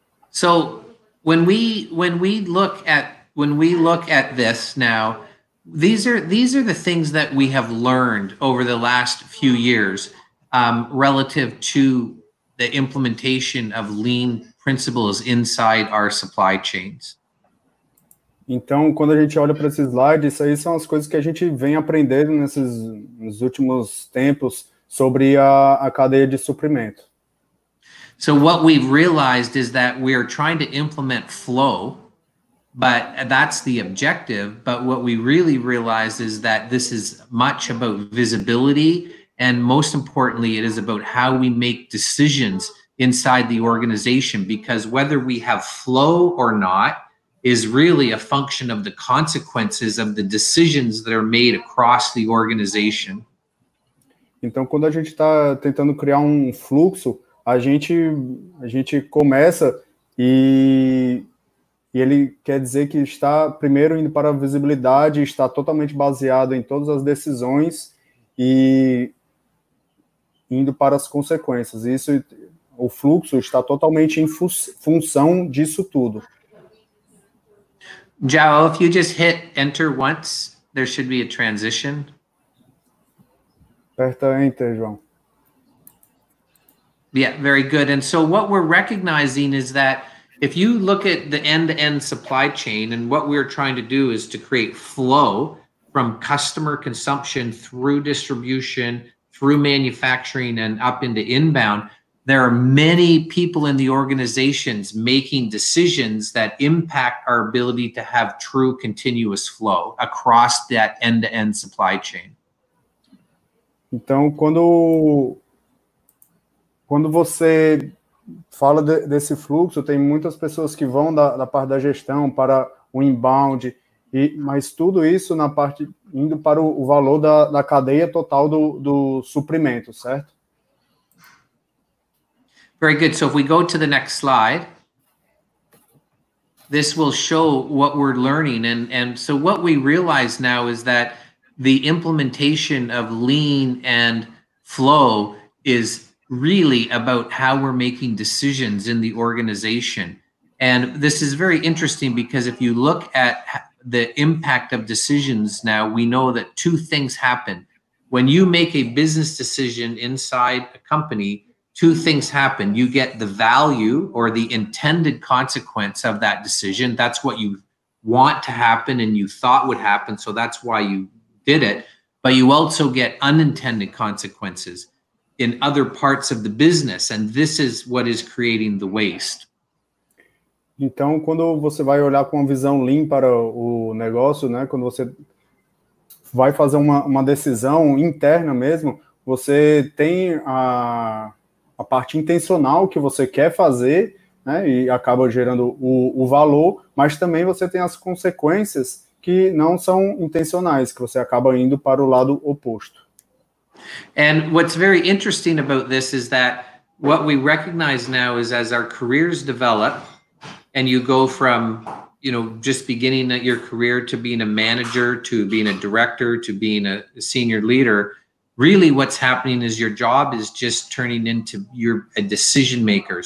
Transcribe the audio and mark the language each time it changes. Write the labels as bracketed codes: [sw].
[en] So when we look at this now, these are the things that we have learned over the last few years relative to the implementation of lean principles inside our supply chains. [pt] Então, quando a gente olha para esses slides, isso aí são as coisas que a gente vem aprendendo nesses nos últimos tempos sobre a cadeia de suprimento. [en] So what we've realized is that we're trying to implement flow, but that's the objective. But what we really realized is that this is much about visibility, and most importantly, it is about how we make decisions inside the organization, because whether we have flow or not is really a function of the consequences of the decisions that are made across the organization. [pt] Então, quando a gente está tentando criar um fluxo, a gente começa e ele quer dizer que está primeiro indo para a visibilidade, está totalmente baseado em todas as decisões e indo para as consequências. Isso, o fluxo está totalmente em função disso tudo. [en] Joe, if you just hit enter once, there should be a transition. [pt] Aperta enter, João. [en] Yeah, very good. And so what we're recognizing is that if you look at the end-to-end supply chain, and what we're trying to do is to create flow from customer consumption through distribution, through manufacturing, and up into inbound, there are many people in the organizations making decisions that impact our ability to have true continuous flow across that end-to-end supply chain. [pt] Então, quando você fala desse fluxo, tem muitas pessoas que vão da parte da gestão para o inbound, mas tudo isso na parte indo para o valor da cadeia total do suprimento, certo? [en] Very good. So if we go to the next slide, this will show what we're learning. And so what we realize now is that the implementation of lean and flow is really about how we're making decisions in the organization. And this is very interesting because if you look at the impact of decisions now, we know that two things happen. When you make a business decision inside a company, two things happen. You get the value or the intended consequence of that decision. That's what you want to happen and you thought would happen. So that's why you did it. But you also get unintended consequences in other parts of the business. And this is what is creating the waste. [pt] Então, quando você vai olhar com uma visão lean para o negócio, né? Quando você vai fazer uma decisão interna mesmo, você tem a parte intencional que você quer fazer, né, e acaba gerando o valor, mas também você tem as consequências que não são intencionais, que você acaba indo para o lado oposto. [en] And what's very interesting about this is that what we recognize now is as our careers develop and you go from, you know, just beginning your career to being a manager, to being a director, to being a senior leader, really what's happening is your job is just turning into you're a decision maker.